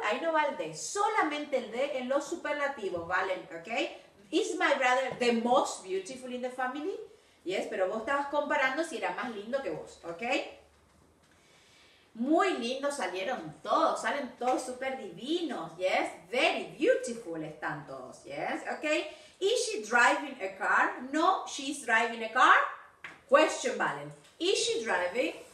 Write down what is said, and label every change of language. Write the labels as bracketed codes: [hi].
[es] Ahí no va el de, solamente el de en los superlativos, ¿vale? [en] Okay? Is my brother the most beautiful in the family? [es] Yes, pero vos estabas comparando si era más lindo que vos, ¿ok? Muy lindo salieron todos, salen todos súper divinos, yes? [en] Very beautiful [es] están todos, [en] yes? ¿Ok? Is she driving a car? No, she's driving a car. Question, ¿vale? Is she driving?